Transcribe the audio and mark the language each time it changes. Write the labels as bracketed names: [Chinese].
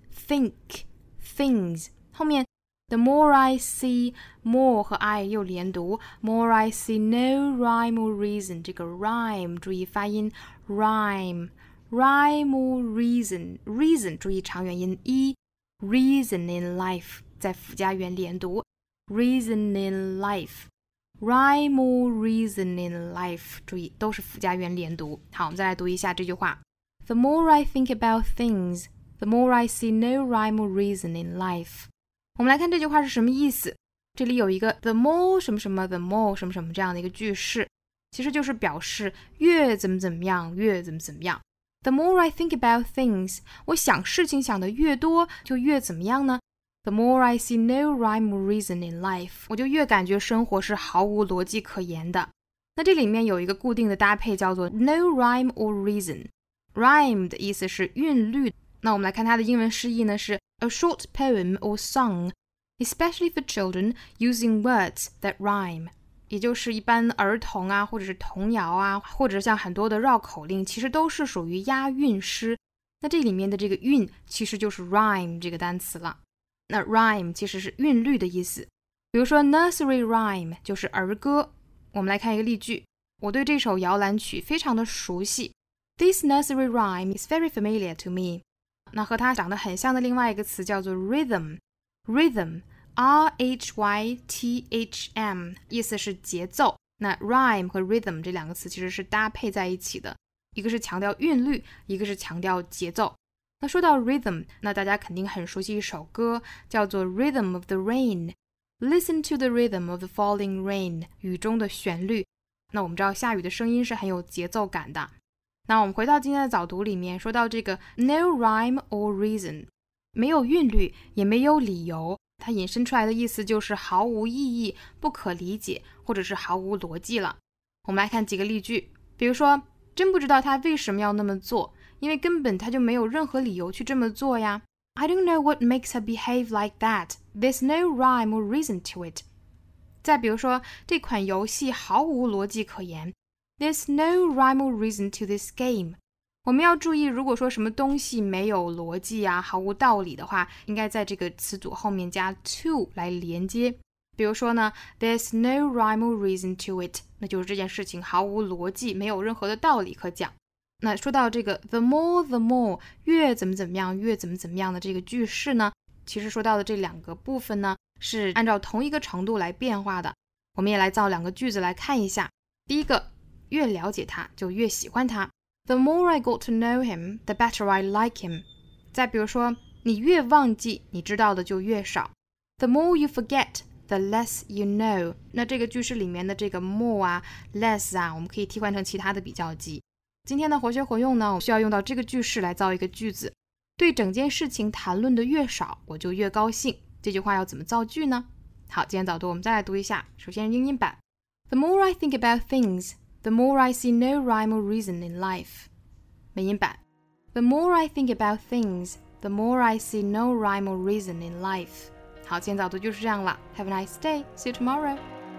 [English] Think things 后面 the more I see more 和 I 又连读 more I see no rhyme or reason 这个 rhyme [Chinese] 注意发音 [English] rhyme or reason [Chinese] 注意长元音 [English] e reason in life [Chinese] 在附加元连读 [English] rhyme or reason in life [Chinese] 注意都是附加元连读。好，我们再来读一下这句话。 [English] The more I think about thingsThe more I see no rhyme or reason in life. [Chinese] 我们来看这句话是什么意思。这里有一个 the more 什么什么 the more 什么什么这样的一个句式，其实就是表示越怎么怎么样越怎么怎么样。 [English] The more I think about things, [Chinese] 我想事情想的越多就越怎么样呢？ [English] The more I see no rhyme or reason in life, [Chinese] 我就越感觉生活是毫无逻辑可言的。那这里面有一个固定的搭配叫做 no rhyme or reason. [English] Rhyme [Chinese] 的意思是韵律。那我们来看它的英文释义呢，是 [English] A short poem or song, especially for children, using words that rhyme. [Chinese] 也就是一般儿童啊，或者是童谣啊，或者像很多的绕口令，其实都是属于押韵诗。那这里面的这个韵其实就是 rhyme 这个单词了。那 rhyme 其实是韵律的意思。比如说 nursery rhyme 就是儿歌。我们来看一个例句，我对这首摇篮曲非常的熟悉。 [English] This nursery rhyme is very familiar to me. [Chinese] 那和它长得很像的另外一个词叫做 rhythm，R-H-Y-T-H-M， 意思是节奏。那 rhyme 和 rhythm 这两个词其实是搭配在一起的，一个是强调韵律，一个是强调节奏。那说到 rhythm， 那大家肯定很熟悉一首歌，叫做 Rhythm of the Rain， Listen to the Rhythm of the Falling Rain， 雨中的旋律。那我们知道下雨的声音是很有节奏感的。那我们回到今天的早读里面，说到这个 no rhyme or reason， 没有韵律也没有理由，它引申出来的意思就是毫无意义，不可理解，或者是毫无逻辑了。我们来看几个例句，比如说真不知道他为什么要那么做，因为根本他就没有任何理由去这么做呀。 [English] I don't know what makes her behave like that. There's no rhyme or reason to it. [Chinese] 再比如说这款游戏毫无逻辑可言， [English] There's no rhyme or reason to this game. [Chinese] 我们要注意，如果说什么东西没有逻辑啊，毫无道理的话，应该在这个词组后面加 to 来连接。比如说呢 [English] ，There's no rhyme or reason to it. [Chinese] 那就是这件事情毫无逻辑，没有任何的道理可讲。那说到这个 the more 越怎么怎么样越怎么怎么样的这个句式呢，其实说到的这两个部分呢，是按照同一个程度来变化的。我们也来造两个句子来看一下。第一个。越了解他就越喜欢他。 [English] The more I got to know him, the better I like him. [Chinese] 再比如说，你越忘记，你知道的就越少。 [English] The more you forget, the less you know. [Chinese] 那这个句式里面的这个 more 啊 less 啊我们可以替换成其他的比较级。今天的活学活用呢我需要用到这个句式来造一个句子。对整件事情谈论的越少我就越高兴。这句话要怎么造句呢好今天早读我们再来读一下。首先英音版。 [English] The more I think about things, the more I see no rhyme or reason in life. [Chinese] 美音版。 [English] The more I think about things, the more I see no rhyme or reason in life. [Chinese] 好今天早读就是这样了。 [English] Have a nice day. See you tomorrow.